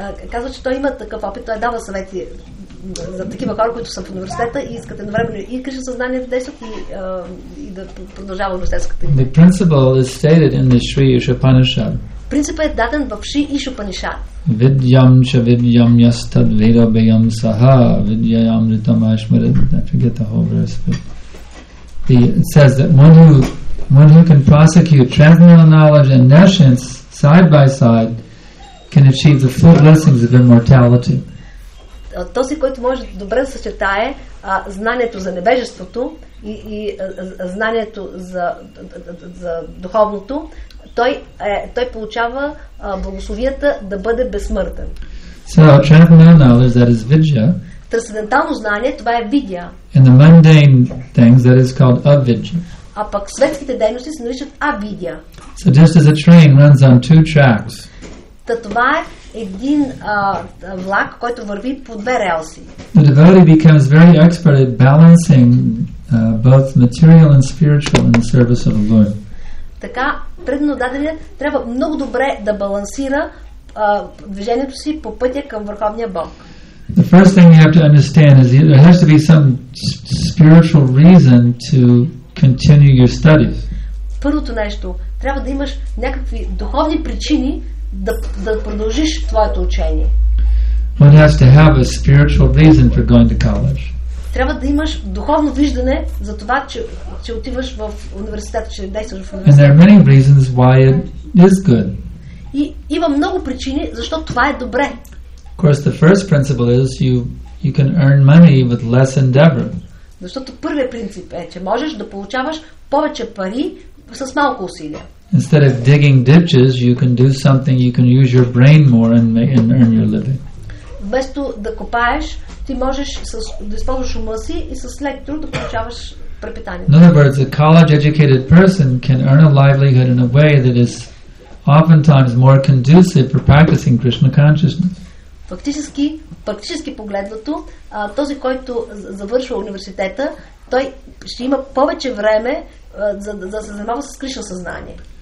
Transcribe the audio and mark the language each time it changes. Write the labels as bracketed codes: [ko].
[bg] Казва, че той има такъв опит, той дава съвети за такива хора, които са в университета и искат едновременно и Кришна съзнание да действат и да продължава университетската. [en] The principle is stated in the Sri Upanishad. [bg] Принципът е даден в Шри Ишупанишад. [sa] Vidyam ca vidyam yastad vedabhyam saha vidyayam ritam ashmarat. [en] I forget the whole verse, but it says that one who can prosecute transcendental knowledge and nescience side by side can achieve the full blessings of immortality. [bg] Този, който може добре да съчетае знанието за небежеството и знанието за духовното, той получава благословията да бъде безсмъртен. [en] So, transcendental knowledge, that is vidya. [bg] Трансцендентално знание, това е видя. [en] And the mundane things, that is called avidya. [bg] А пък светските дейности се наричат авидя. [en] So, just as a train runs on two tracks. [bg] Та това е един влак, който върви по две релси. [en] The devotee becomes very expert at balancing both material and spiritual in the service of the Lord. [bg] Така, преднодателят трябва много добре да балансира движението си по пътя към Върховния Бог. [en] The first thing you have to understand is there has to be some spiritual reason to continue your studies. [bg] Първото нещо, трябва да имаш някакви духовни причини да продължиш твоето учение. [en] One has to have a spiritual reason for going to college. [bg] Трябва да имаш духовно виждане за това, че отиваш в университет, че действаш в университет. [en] And there are many reasons why it is good. [bg] И има много причини защо това е добре. [en] Of course, the first principle is you can earn money with less endeavor. [bg] Защото първият принцип е, че можеш да получаваш повече пари с малко усилия. [en] Instead of digging ditches, you can do something, you can use your brain more and earn your living. [bg] Вместо да копаеш, ти можеш да използваш ума си и с лек труд да получаваш препитание. [en] In other words, a college-educated person can earn a livelihood in a way that is oftentimes more conducive for practicing Krishna consciousness. [bg] Фактически погледнато, този, който завършва университета, той ще има повече време за да се занимава с Кришна съзнание.